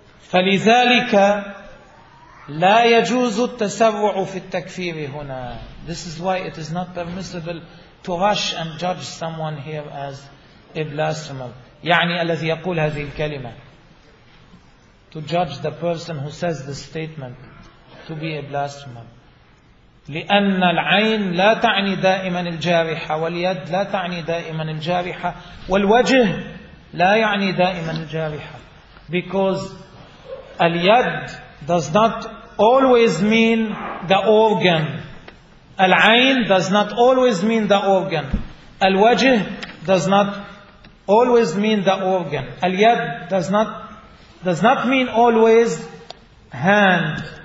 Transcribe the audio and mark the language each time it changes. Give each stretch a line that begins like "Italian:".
Arabic: فلذلك لا يجوز التسرع في التكفير هنا.
English: This is why it is not permissible to rush and judge someone here as a blasphemer.
Arabic: يعني الذي يقول هذه الكلمة,
English: to judge the person who says this statement to be a blasphemer.
Arabic: لأن العين لا تعني دائما الجارحة, واليد لا تعني دائما الجارحة, والوجه لا يعني دائما الجارحة.
English: Because اليد does not always mean the organ. العين does not always mean the organ. الوجه does not always mean the organ. Al-yad does not mean always hand.